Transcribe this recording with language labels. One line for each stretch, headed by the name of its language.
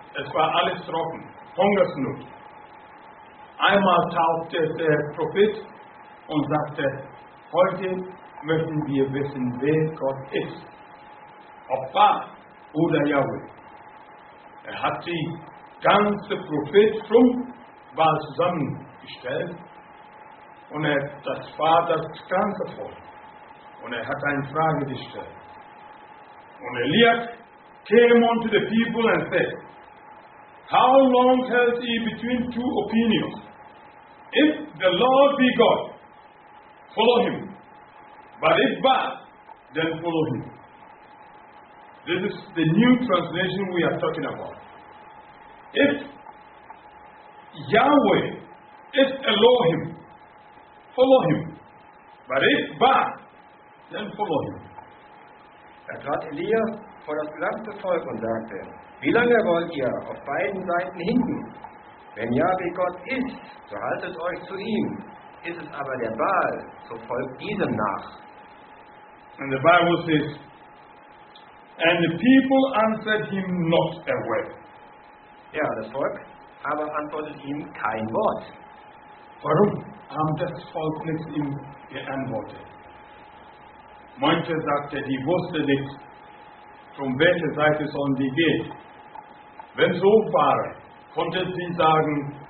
German: Es war alles trocken, Hungersnot. Einmal tauchte der Prophet und sagte, heute möchten wir wissen, wer Gott ist. Ob Baal oder Yahweh. Er hat die ganze Prophet vom Baal zusammengestellt und das war das ganze Volk. Und hat eine Frage gestellt.
English: Und Elias came unto the people and said, how long held ye between two opinions? If the Lord be God, follow him. But if Baal, then follow him. This is the new translation we are talking about. If Yahweh is Elohim, follow him. But if Baal, then follow him.
German: Da trat Elia vor das gesamte Volk und sagte, wie lange wollt ihr auf beiden Seiten hinken? Wenn Yahweh Gott ist, so haltet euch zu ihm. Ist es aber der Baal, so folgt diesem nach.
English: And the Bible says, and the people answered him not a word.
German: Ja, das Volk aber antwortet ihm kein Wort. Warum haben das Volk nicht ihm geantwortet? Manche sagten, die wussten nicht, von welcher Seite sollen die gehen. Wenn so war, konnten sie sagen,